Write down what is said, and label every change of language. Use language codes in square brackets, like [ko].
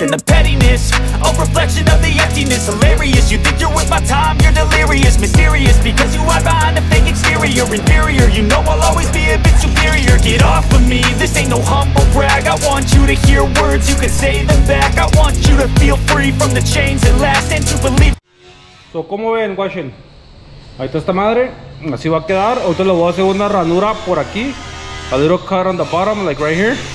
[en] And the pettiness, a reflection of the emptiness. Hilarious, you think you're worth my time, you're delirious. Mysterious, because you hide behind a fake exterior. Inferior, you know I'll always be a bit superior. Get off of me, this ain't no humble brag. I want you to hear words, you can say them back. I want you to feel free from the chains at last. And to believe. [es] So, ¿cómo ven, Washington? Ahí está esta madre, así va a quedar. Ahorita le voy a hacer una ranura por aquí. [en] A little cut on the bottom, like right here.